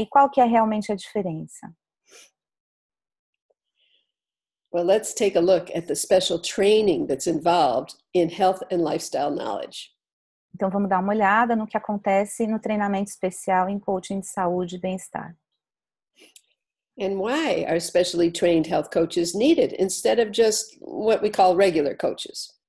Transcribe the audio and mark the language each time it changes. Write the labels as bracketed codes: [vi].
[pt] E qual que é realmente a diferença? [en] Well, let's take a look at the special training that's involved in health and lifestyle knowledge. [pt] Então, vamos dar uma olhada no que acontece no treinamento especial em coaching de saúde e bem-estar. [en] And why are specially trained health coaches needed instead of just what we call regular coaches?